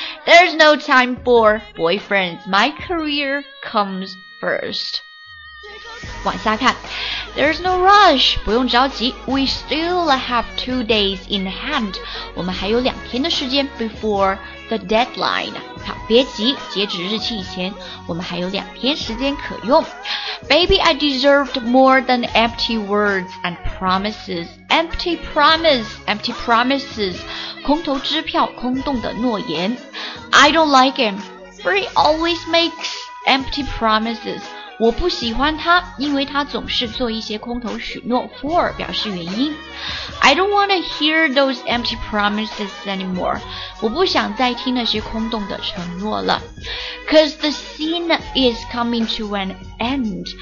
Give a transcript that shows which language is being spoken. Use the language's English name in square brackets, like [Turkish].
[English] There's no time for boyfriends. My career comes first. [Chinese] 往下看 [English] There's no rush. [Chinese] 不用着急。 [English] We still have 2 days in hand. [Chinese] 我们还有两天的时间 [English] before the deadline. [Chinese] 好，别急，截止日期以前我们还有两天时间可用。 [English] Baby, I deserved more than empty words and promises. [Chinese] Empty promise, empty promises. 空头支票，空洞的诺言。 [English] I don't like him, for he always makes empty promises. [Chinese] 我不喜欢他，因为他总是做一些空头许诺。 For 表示原因。 [English] I don't want to hear those empty promises anymore. [Chinese] 我不想再听那些空洞的承诺了。 [English] Cause the scene is coming to an end.